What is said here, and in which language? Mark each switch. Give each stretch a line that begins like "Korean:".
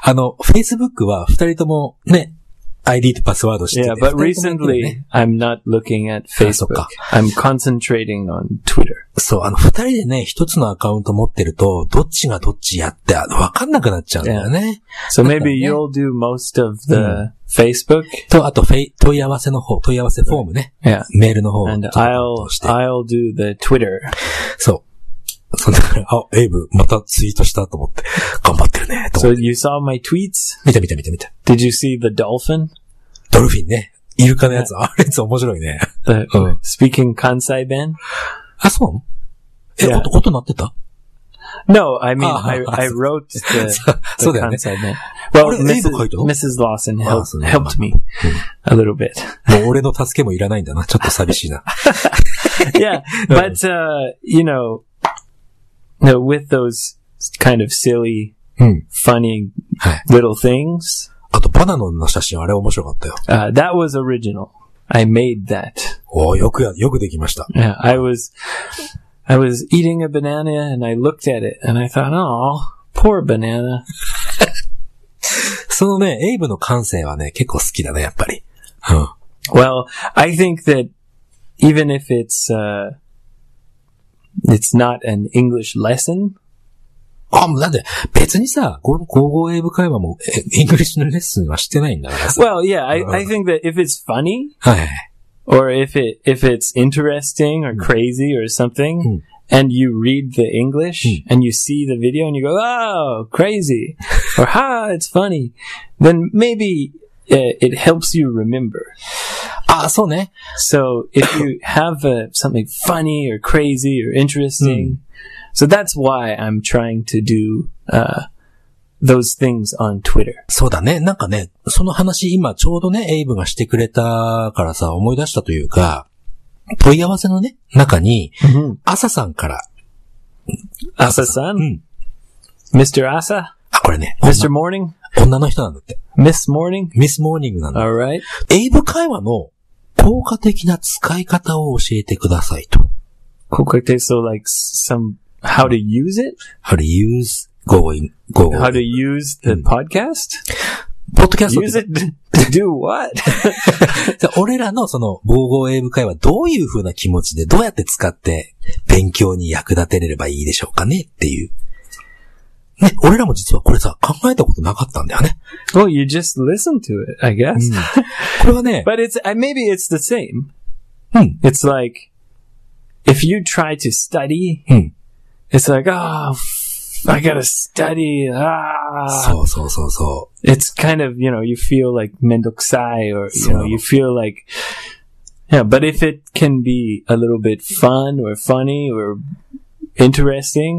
Japanese: あの、Facebook は二人ともね、ID とパスワード知って
English: る。Yeah, but recently,、ね、I'm not looking at Facebook. I'm concentrating on Twitter.
Japanese: そう、あの、二人でね、一つのアカウント持ってると、どっちがどっちやって、わかんなくなっちゃうんだよね。
English: Yeah. So maybe you'll do most of the、うん、Facebook.
Japanese: と、あと、問い合わせの方、問い合わせフォームね。
English: Yeah.
Japanese: メールの方
English: を。And I'll do the Twitter.
Japanese: そう。あ、エイブ、またツイートしたと思って、頑張ってるね、と。
English: So you saw my tweets?
Japanese: 見た。
English: Did you see the dolphin?
Japanese: ドルフィンね。イルカのやつ、あれつ面白いね。
English: Speaking 関西弁?
Japanese: あ、そうなの?え、音、音鳴ってた?
English: No, I mean, I wrote the,
Japanese: そうだよね。関西弁。
English: Well, Mrs. Lawson helped me a little bit.
Japanese: もう俺の助けもいらないんだな。ちょっと寂しいな。
English: Yeah, but, you know,No, with those kind of silly,、
Japanese: うん、
English: funny、
Japanese: はい、
English: little things.
Japanese: あとバナナの写真あれ面白かったよ。
English: That was original. I made that.
Japanese: おー、よくできました。
English: Yeah, I was eating a banana and I looked at it and I thought, oh, poor banana.
Japanese: そのね、エイブの感性はね、結構好きだね、やっぱり。うん、
English: well, I think that even if it'sIt's not an English lesson.
Japanese: あ、もうなんで、別にさ、高校英語会話も、English のレッスンはしてないんだから。
English: Well, yeah, I think that if it's funny, or if it's interesting or crazy or something, and you read the English, and you see the video and you go, oh, crazy, or ha, it's funny, then maybe it helps you remember.
Japanese: あ、そうね。
English: So, if you have something funny or crazy or interesting,、うん、so that's why I'm trying to do, those things on Twitter.
Japanese: そうだね。なんかね、その話今ちょうどね、エイブがしてくれたからさ、思い出したというか、問い合わせのね、中に、アサさんから。アサさん、うん、
English: Mr. アサ。
Japanese: あ、これね。
English: Mr. Morning?
Japanese: 女の人なんだって。
English: Miss Morning?
Japanese: Miss Morning なんだ。
English: Alright.
Japanese: エイブ会話の、効果的な使い方を教えてくださいと。
English: 効果的、so like some, how to use it? How to use going. How to use the podcast? Podcast? Use it to do what?
Japanese: 俺らのその、午後英語会話どういう風な気持ちでどうやって使って勉強に役立てれればいいでしょうかねっていう。ね、俺らも実はこれさ、考えたことなかったんだよね。
English: Well, you just listen to it, I guess.、うん、
Japanese: これはね。
English: But it's, maybe it's the same.、
Japanese: うん、
English: it's like, if you try to study,、
Japanese: うん、
English: it's like, oh, I gotta study, ah.
Japanese: そう。
English: It's kind of, you know, you feel like めんどくさい or, you know, you feel like, yeah, but if it can be a little bit fun or funny or interesting,、